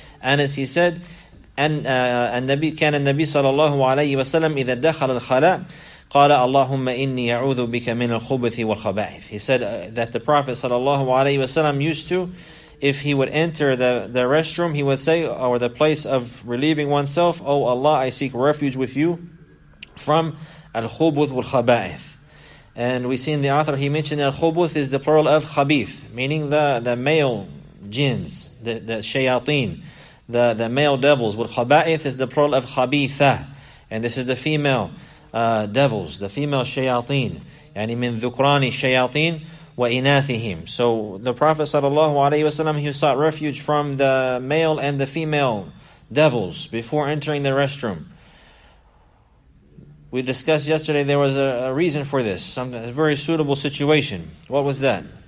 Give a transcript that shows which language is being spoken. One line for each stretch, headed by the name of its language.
English: Anas, he said,
Arabic: النبي sallallahu alayhi wasallam إذا دخل الخلاء قال اللهم إني أعوذ بك من الخبث والخبائث.
English: He said that the Prophet sallallahu alayhi wasallam used to, if he would enter the restroom, he would say, or the place of relieving oneself, oh Allah, I seek refuge with you from al-khubuth wal-khaba'ith. And we see in the author, he mentioned al-khubuth is the plural of khabith, meaning the male jinns, the shayateen, the male devils. Wal-khaba'ith is the plural of khabitha, and this is the female devils, the female shayateen.
Arabic: يعني من ذكراني الشياطين وإناثهم.
English: So the Prophet sallallahu alayhi wasallam, he sought refuge from the male and the female devils before entering the restroom. We discussed yesterday there was a reason for this, a very suitable situation. What was that?